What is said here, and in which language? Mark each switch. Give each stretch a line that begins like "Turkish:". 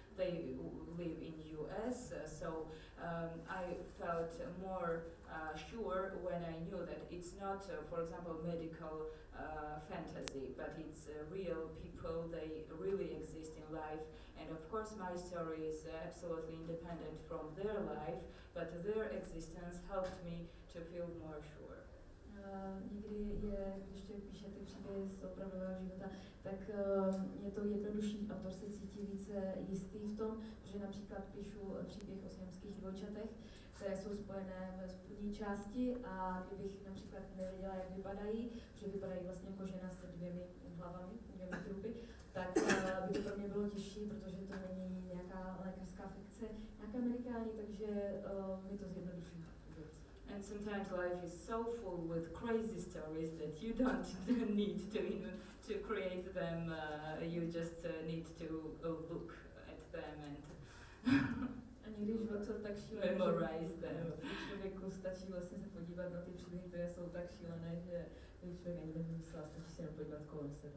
English: They live in US, so I felt more sure when I knew that it's not, for example, medical fantasy, but it's real people, they really exist in life. And of course my story is absolutely independent from their life, but their existence helped me to feel more sure. No,
Czech: někdy je, když tě píše ty příběhy z opravdového života, tak je to jednodušší, autor se cítí více jistý v tom, že například píšu příběh o siamských dvojčatech, které jsou spojené ve spodní části, a kdybych například nevěděla, jak vypadají, protože vypadají vlastně jako žena se dvěmi hlavami, dvěmi trupy, tak by to pro mě bylo těžší, protože to není nějaká lékařská fikce, nějaká amerikální, takže mi to zjednoduší.
English: And sometimes life is so full with crazy stories that you don't need to create them. You just need to look at them and memorize them.
Czech: Člověku stačí vlastně se podívat na ty příběhy, které jsou tak šílené, že když člověk ani nemusí se vlastně podívat kolem sebe.